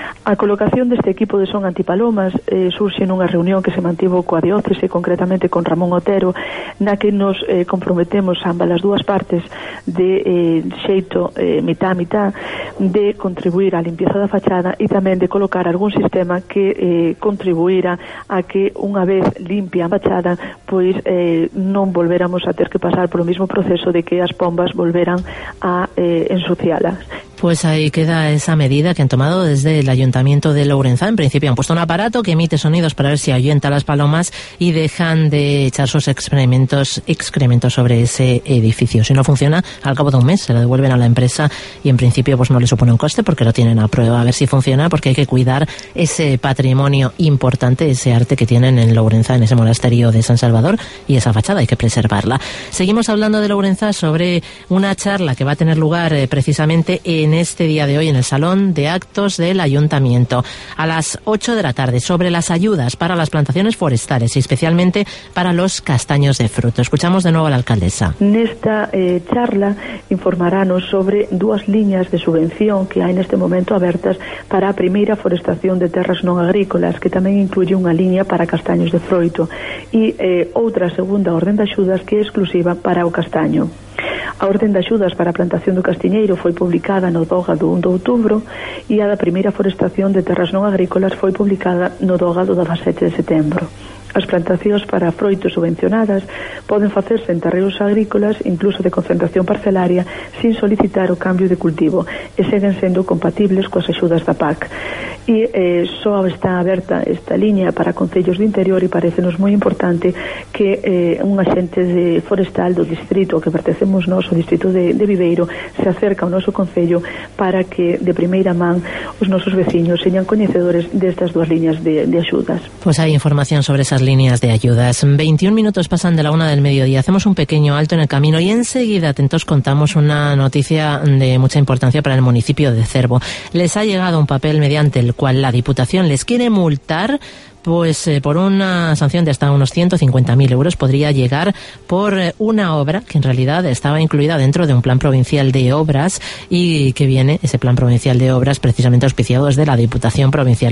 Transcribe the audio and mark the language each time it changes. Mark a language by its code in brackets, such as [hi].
[gl] A colocación deste equipo de son antipalomas surxe nunha reunión que se mantivo coa diócese, concretamente con Ramón Otero, na que nos comprometemos ambas as dúas partes de xeito mitá-mitá de contribuir á limpieza da fachada e tamén de colocar algún sistema que contribuíra a que unha vez limpia a fachada pois non volveramos a ter que pasar polo mesmo proceso de que as pombas volveran a ensuciálas. [es] Pues ahí queda esa medida que han tomado desde el Ayuntamiento de Lourenzá. En principio han puesto un aparato que emite sonidos para ver si ahuyenta las palomas y dejan de echar sus excrementos sobre ese edificio. Si no funciona, al cabo de un mes se lo devuelven a la empresa y en principio pues no le supone un coste porque lo tienen a prueba. A ver si funciona, porque hay que cuidar ese patrimonio importante, ese arte que tienen en Lourenzá, en ese monasterio de San Salvador, y esa fachada hay que preservarla. Seguimos hablando de Lourenzá sobre una charla que va a tener lugar precisamente en este día de hoy en el Salón de Actos del Ayuntamiento a las 8 de la tarde sobre las ayudas para las plantaciones forestales y especialmente para los castaños de fruto. Escuchamos de nuevo a la alcaldesa. [gl] Nesta charla informaranos sobre dúas líneas de subvención que hai neste momento abertas para a primeira forestación de terras non agrícolas, que tamén incluye unha línea para castaños de froito, e outra segunda orden de axudas que é exclusiva para o castaño. A orden de axudas para a plantación do castiñeiro foi publicada no DOGA do 1 de outubro e a da primeira forestación de terras non agrícolas foi publicada no DOGA do 17 de setembro. As plantacións para froito subvencionadas poden facerse en terreos agrícolas, incluso de concentración parcelaria, sin solicitar o cambio de cultivo, e seguen sendo compatibles coas axudas da PAC. E só está aberta esta liña para concellos do interior, e parecenos moi importante que un axente de forestal do distrito que pertencemos nós, o distrito de Viveiro, se acerca ao noso concello para que de primeira man os nosos veciños señan coñecedores destas dúas liñas de axudas. [es] Pois hai información sobre esas líneas de ayudas. 21 minutos pasan de la una del mediodía. Hacemos un pequeño alto en el camino y enseguida, atentos, contamos una noticia de mucha importancia para el municipio de Cervo. Les ha llegado un papel mediante el cual la Diputación les quiere multar pues por una sanción de hasta unos 150.000 euros, podría llegar por una obra que en realidad estaba incluida dentro de un plan provincial de obras y que viene ese plan provincial de obras precisamente auspiciado desde la Diputación Provincial.